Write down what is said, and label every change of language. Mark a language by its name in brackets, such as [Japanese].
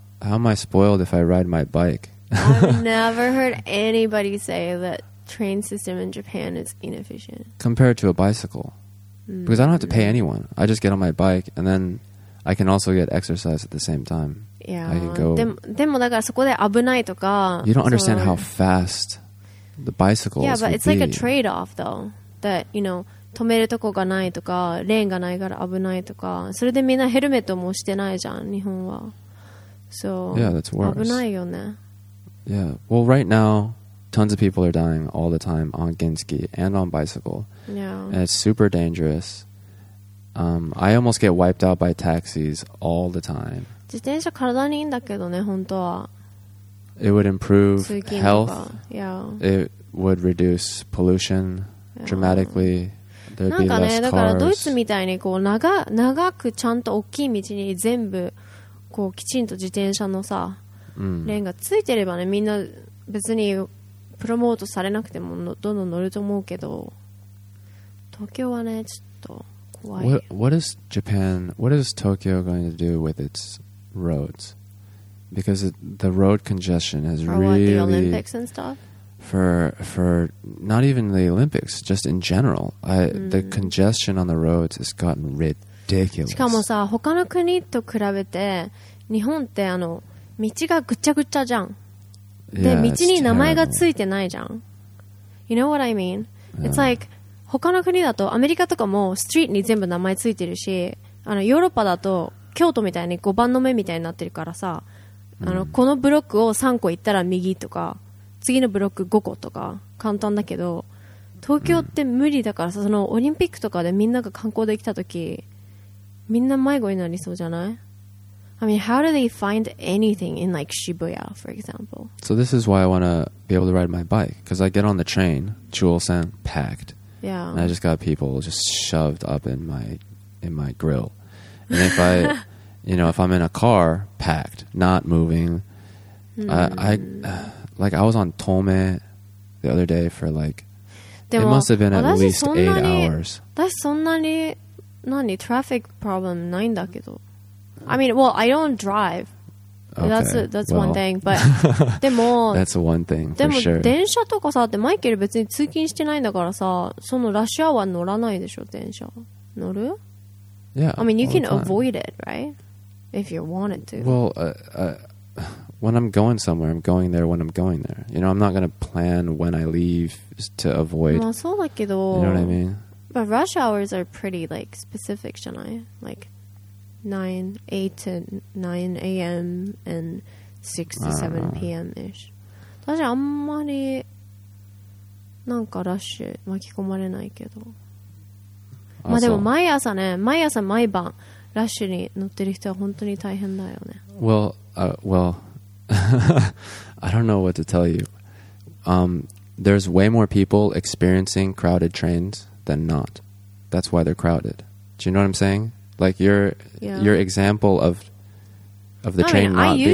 [English] How am I spoiled if I ride my bike? I've never heard anybody say that train system in Japan is inefficient. Compared to a bicycle. Mm-hmm. Because I don't have to pay anyone. I just get on my bike and then I can also get exercise at the same time. Yeah. I can go. [Japanese] でもだからそこで危ないとか。 [English] You don't understand how fast the bicycle is. Yeah, but it's be. Like a trade-off though. That, you know, [Japanese] 止めるとこがないとか、レーンがないから危ないとか。それでみんなヘルメットもしてないじゃん、日本は。 [English] So, yeah, that's worse. [Japanese] 危ないよね。 [English] Yeah. Well, right now, tons of people are dying all the time on Genski and on bicycle. Yeah. And it's super dangerous. I almost get wiped out by taxis all the time. [Japanese] 自転車体にいいんだけどね、本当は。 [English] It would improve health. Yeah. It would reduce pollution dramatically. There'd be less [Japanese] なんかね、だからドイツみたいにこう長くちゃんと大きい道に全部こうきちんと自転車のさ、レーンがついてればね、みんな別にプロモートされなくてもどんどん乗ると思うけど、東京はね、ちょっと。 [English] What is Japan, what is Tokyo going to do with its roads? Because the road congestion has really... For the Olympics and stuff? For not even the Olympics, just in general. The congestion on the roads has gotten ridiculous. [Japanese] しかもさ、他の国と比べて、日本ってあの、道がぐちゃぐちゃじゃん。で、道に名前がついてないじゃん。 [English] You know what I mean? It's like... [Japanese] 他の国だとアメリカとかもストリートに全部名前ついてるし、あのヨーロッパだと京都みたいに5番の目みたいになってるからさ、あのこのブロックを3個行ったら右とか、次のブロック5個とか簡単だけど、東京って無理だからさ、そのオリンピックとかでみんなが観光できた時みんな迷子になりそうじゃない？ [English] I mean, how do they find anything in like Shibuya, for example? So this is why I want to be able to ride my bike, because I get on the train, Chuo-san, packed. Yeah. And I just got people just shoved up in my grill. And if I, you know, if I'm in a car, packed, not moving, I was on Tome the other day for like, it must have been at least 8 hours. [Japanese] 私そんなに、何、 [English] traffic problem [Japanese] ないんだけど。 [English] I mean, well, I don't drive. Okay. That's one thing, but [Japanese] でも [English] that's one thing for sure. [Japanese] でも電車とかさ、ってマイケル別に通勤してないんだからさ、そのラッシュアワー乗らないでしょ、電車。乗る？ [English] Yeah. I mean, you can avoid it, right? If you wanted to. Well, when I'm going somewhere, I'm going there when I'm going there. You know, I'm not going to plan when I leave to avoid. [Japanese] まあそうだけど。 [English] You know what I mean? But rush hours are pretty like specific, [Japanese] じゃない？ [English] Like. 8 to 9 a.m. and 6 to 7 p.m. ish. [Japanese] 私あんまりなんかラッシュ巻き込まれないけど。まあでも毎朝ね、毎朝毎晩ラッシュに乗ってる人は本当に大変だよね。 [English] Well, I don't know what to tell you. There's way more people experiencing crowded trains than not. That's why they're crowded. Do you know what I'm saying? Like your example of the train not being...